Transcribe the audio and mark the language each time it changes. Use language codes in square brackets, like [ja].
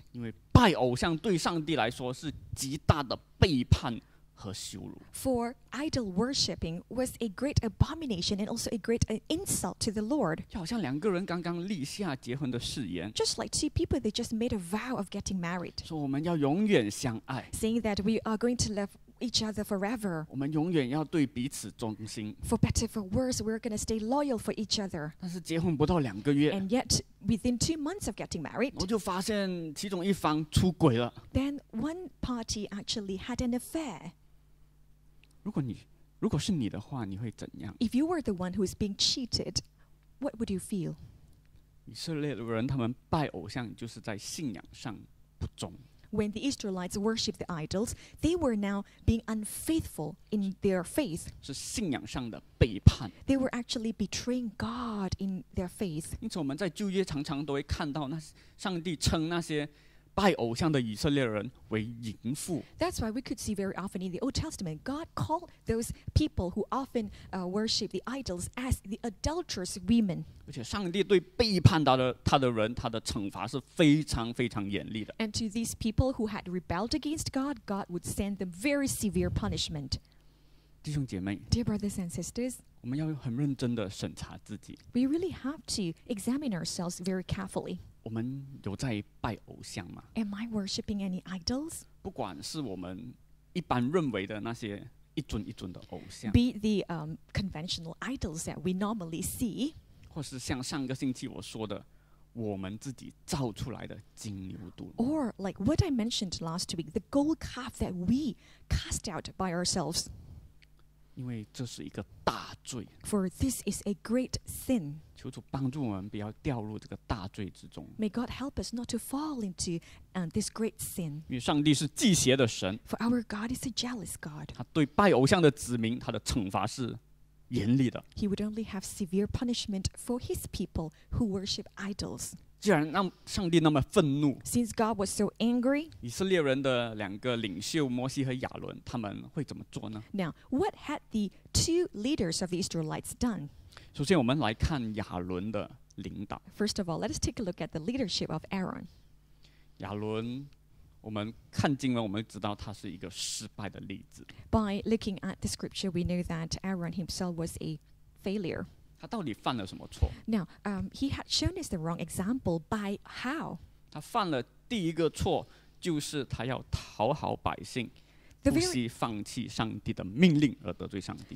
[zh] 因为拜偶像对上帝来说是极大的背叛和羞辱。 [en] For idol worshipping was a great abomination and also a great insult to the Lord. [zh] 就好像两个人刚刚立下结婚的誓言。 [en] Just like two people, they just made a vow of getting married. [zh] 说我们要永远相爱。 [en] Saying that we are going to love each other forever. [zh] 我们永远要对彼此忠心。 [en] For better, for worse, we're going to stay loyal for each other. [zh] 但是结婚不到两个月。 [en] And yet, within 2 months of getting married, [zh] 我就发现其中一方出轨了。 [en] Then one party actually had an affair. [zh] 如果是你的话，你会怎样？ [en] If you were the one who is being cheated, what would you feel? [zh] 以色列的人，他们拜偶像就是在信仰上不忠。 [en] When the Israelites worshipped the idols, they were now being unfaithful in their faith. [zh] 是信仰上的背叛。 [en] They were actually betraying God in their faith. [zh] 因此我们在旧约常常都会看到上帝称那些拜偶像的以色列人为淫妇。 [en] That's why we could see very often in the Old Testament, God called those people who often worship the idols as the adulterous women. [zh] 而且上帝对背叛他的人，他的惩罚是非常非常严厉的。 [en] And to these people who had rebelled against God, God would send them very severe punishment. [zh] 弟兄姐妹 [en] ，Dear brothers and sisters, [zh] 我们要很认真地审查自己。 [en] We really have to examine ourselves very carefully. [zh] 我们有在拜偶像吗 [en] Am I worshipping any idols? [zh] 不管是我们一般认为的那些一尊一尊的偶像 [en] Be the conventional idols that we normally see [zh] 或是像上个星期我说的我们自己造出来的金牛犊 [en] Or like what I mentioned last week The gold calf that we cast out by ourselves [zh] 因为这是一个大罪 [en] For this is a great sin [zh] 求主帮助我们不要掉入这个大罪之中。 [en] May God help us not to fall into this great sin. [zh] 因为上帝是忌邪的神。 [en] For our God is a jealous God. [zh] 他对拜偶像的子民，他的惩罚是严厉的。 [en] He would only have severe punishment for his people who worship idols. [zh] 既然让上帝那么愤怒 [en] ，Since God was so angry， [zh] 以色列人的两个领袖摩西和亚伦，他们会怎么做呢 [en] ？Now， what had the two leaders of the Israelites done？ [zh] 首先，我们来看亚伦的领导。 [en] First of all， let us take a look at the leadership of Aaron。 [zh] 亚伦，我们看经文，我们知道他是一个失败的例子。 [en] By looking at the scripture， we know that Aaron himself was a failure。 [zh] 他到底犯了什么错 [en] ？Now, he had shown us the wrong example by how. [zh] 他犯了第一个错，就是他要讨好百姓，不惜放弃上帝的命令而得罪上帝。